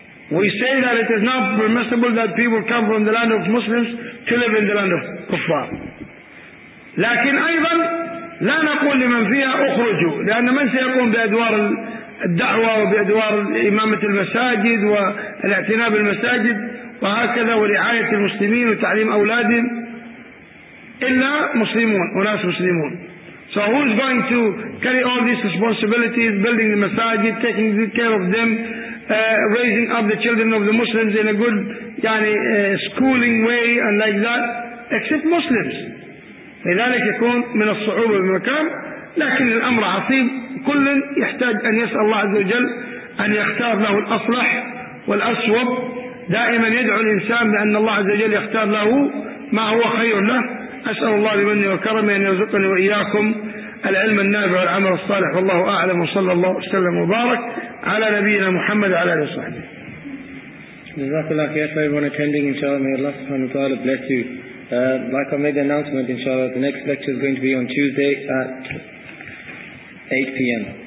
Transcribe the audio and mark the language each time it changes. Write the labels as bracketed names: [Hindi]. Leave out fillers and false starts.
[English] We say that it is not permissible that people come from the land of Muslims to live in the land of kuffar. [Arabic] لكن أيضا لا نقول لمن فيها أخرجوا، لأن من سيقوم بأدوار الدعوة وبأدوار إمامة المساجد والاعتناء بالمساجد وهكذا ورعاية المسلمين وتعليم أولادهم إلا مسلمون وناس مسلمون. [English] So who's going to carry all these responsibilities, building the masajid, taking good care of them, raising up the children of the Muslims in a good schooling way and like that, except Muslims. [Arabic] لذلك يكون من الصعوبة بمكان، لكن الأمر عصيب، كل يحتاج أن يسأل الله عز وجل أن يختار له الأصلح والأصوب. دائما يدعو الإنسان بأن الله عز وجل يختار له ما هو خير له. أسأل الله بمنه وكرمه أن يرزقني وإياكم العلم النافع والعمل الصالح، والله أعلم، وصلى الله وسلم وبارك على نبينا محمد وعلى آله وصحبه. جزاك الله خير. طيب وانا كندينج إن شاء الله، [English] may Allah [Arabic] سبحانه وتعالى [English] bless you. Like I made the announcement, inshallah, the next lecture is going to be on Tuesday at 8 PM.